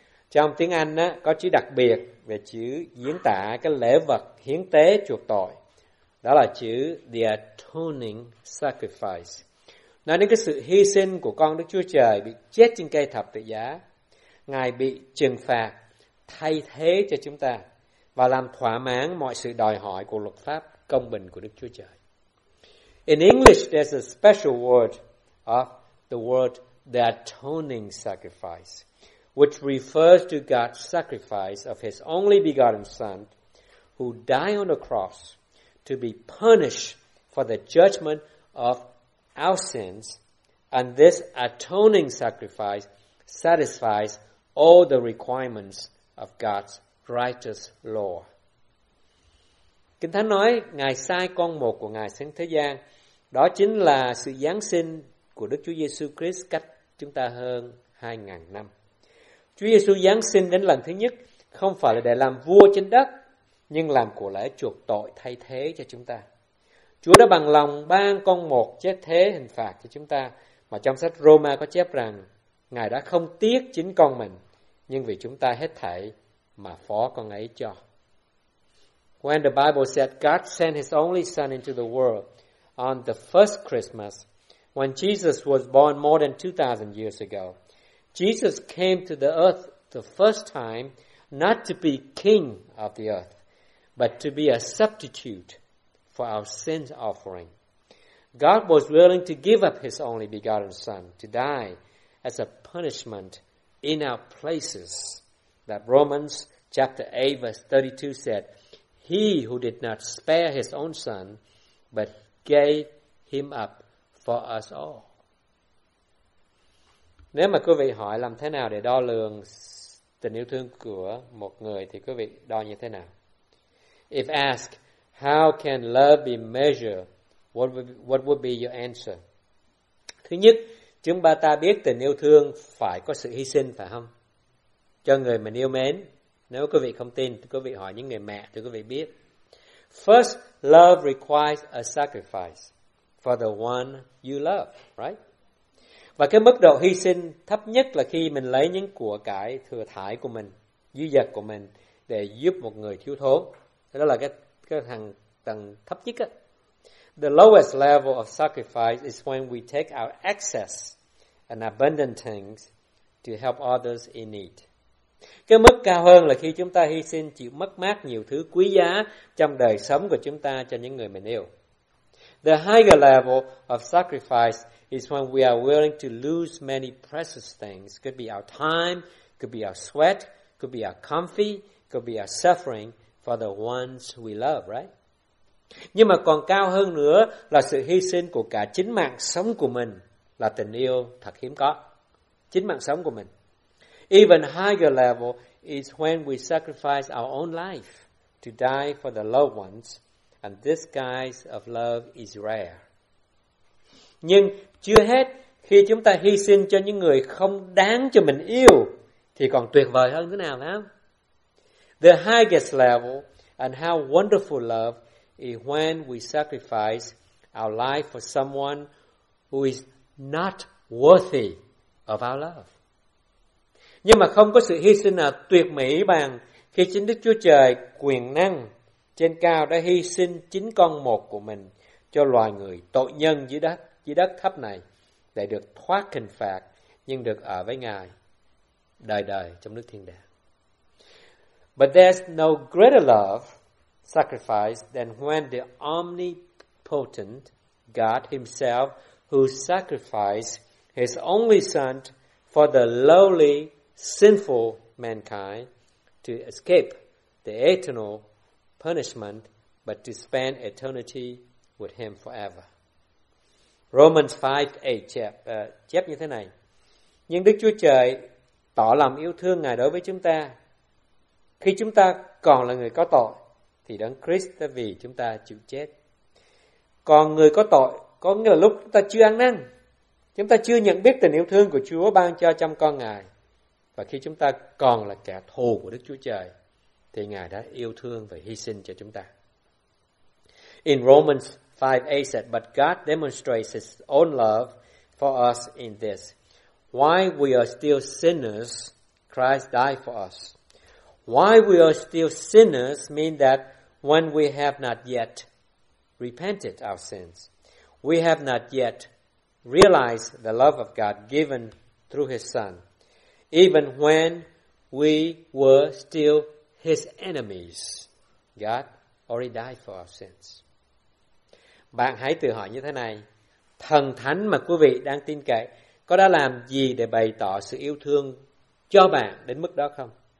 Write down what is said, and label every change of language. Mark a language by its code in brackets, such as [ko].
[vi] Trong tiếng Anh á, có chữ đặc biệt về chữ diễn tả cái lễ vật hiến tế chuộc tội. Đó là chữ [en] the atoning sacrifice. [vi] Nói đến cái sự hy sinh của con Đức Chúa Trời bị chết trên cây thập tự giá. Ngài bị trừng phạt thay thế cho chúng ta và làm thỏa mãn mọi sự đòi hỏi của luật pháp công bình của Đức Chúa Trời. [en] In English, there's a special word of the word the atoning sacrifice, which refers to God's sacrifice of His only begotten Son who died on the cross to be punished for the judgment of our sins, and this atoning sacrifice satisfies all the requirements of God's righteous law. [vi] Kinh Thánh nói Ngài sai con một của Ngài xuống thế gian, đó chính là sự giáng sinh của Đức Chúa Giêsu Christ cách chúng ta hơn 2000 năm. Chúa Giêsu giáng sinh đến lần thứ nhất không phải là để làm vua trên đất, nhưng làm của lễ chuộc tội thay thế cho chúng ta. Chúa đã bằng lòng ban con một chết thế hình phạt cho chúng ta, mà trong sách Roma có chép rằng Ngài đã không tiếc chính con mình, nhưng vì chúng ta hết thảy mà phó con ấy cho. [en] When the Bible said God sent his only son into the world on the first Christmas, when Jesus was born more than 2,000 years ago, Jesus came to the earth the first time not to be king of the earth, but to be a substitute for our sin offering. God was willing to give up his only begotten son to die as a punishment in our places. That Romans chapter 8 verse 32 said, he who did not spare his own son, but gave him up for us all. [vi] Nếu mà quý vị hỏi làm thế nào để đo lường tình yêu thương của một người thì quý vị đo như thế nào? [en] If asked, how can love be measured? What would be your answer? [vi] Thứ nhất, chúng ta biết tình yêu thương phải có sự hy sinh, phải không? Cho người mình yêu mến. Nếu quý vị không tin, quý vị hỏi những người mẹ thì quý vị biết. [en] First, love requires a sacrifice for the one you love, right? [vi] Và cái mức độ hy sinh thấp nhất là khi mình lấy những của cải thừa thải của mình, dư dật của mình để giúp một người thiếu thốn. Đó là cái thằng tầng thấp nhất á. [en] The lowest level of sacrifice is when we take our excess and abundant things to help others in need. [vi] Cái mức cao hơn là khi chúng ta hy sinh chịu mất mát nhiều thứ quý giá trong đời sống của chúng ta cho những người mình yêu. [en] The higher level of sacrifice is when we are willing to lose many precious things. Could be our time, could be our sweat, could be our comfy, could be our suffering for the ones we love, right? [vi] Nhưng mà còn cao hơn nữa là sự hy sinh của cả chính mạng sống của mình là tình yêu thật hiếm có. Chính mạng sống của mình. [en] Even higher level is when we sacrifice our own life to die for the loved ones, and this kind of love is rare. [vi] Nhưng chưa hết, khi chúng ta hy sinh cho những người không đáng cho mình yêu, thì còn tuyệt vời hơn thế nào, phải không? [en] The highest level and how wonderful love is when we sacrifice our life for someone who is not worthy of our love. [vi] Nhưng mà không có sự hy sinh nào tuyệt mỹ bằng khi chính Đức Chúa Trời quyền năng trên cao đã hy sinh chính con một của mình cho loài người tội nhân dưới đất thấp này để được thoát hình phạt nhưng được ở với Ngài đời đời trong nước thiên đàng. [en] But there's no greater love sacrifice than when the omnipotent God himself who sacrificed his only son for the lowly sinful mankind to escape the eternal punishment but to spend eternity with him forever. [vi] Romans 5:8 chép như thế này. Nhưng Đức Chúa Trời tỏ lòng yêu thương Ngài đối với chúng ta khi chúng ta còn là người có tội thì Đấng Christ đã vì chúng ta chịu chết. Còn người có tội có nghĩa là lúc chúng ta chưa ăn năn, chúng ta chưa nhận biết tình yêu thương của Chúa ban cho trong con Ngài. Và khi chúng ta còn là kẻ thù của Đức Chúa Trời, thì Ngài đã yêu thương và hy sinh cho chúng ta. [en] In Romans 5:8 said, but God demonstrates his own love for us in this. While we are still sinners, Christ died for us. While we are still sinners mean that when we have not yet repented our sins, we have not yet realized the love of God given through his Son. Even when we were still his enemies, God already died for our sins. [vi] Bạn hãy tự hỏi như thế này. Thần thánh mà quý vị đang tin cậy có đã làm gì để bày tỏ sự yêu thương cho bạn đến mức đó không?